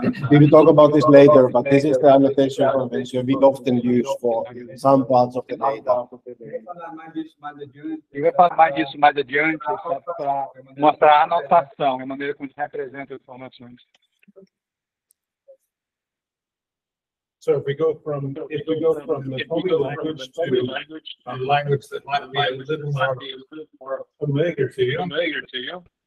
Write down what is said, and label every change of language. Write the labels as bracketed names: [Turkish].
[English] We will talk about this later, but this is the annotation convention we often use for some parts of the data. [Portuguese] Eu vou falar mais disso mais adiante, só para mostrar a anotação, a maneira como se representa as informações. [English] So if we go from the language to a language that might be a little more familiar to you.